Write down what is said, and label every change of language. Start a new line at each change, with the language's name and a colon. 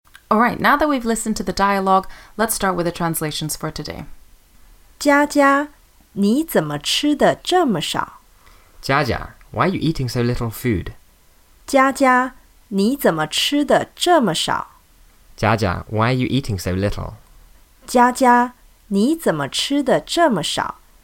English: Alright, now that we've listened to the dialogue, let's start with the translations for today.
Chinese: 佳佳，你怎么吃的这么少？
English: 佳佳, why are you eating so little food?
Chinese: 佳佳，你怎么吃的这么少？
English: 佳佳, why are you eating so little?
Chinese: 佳佳, 你怎么吃的这么少?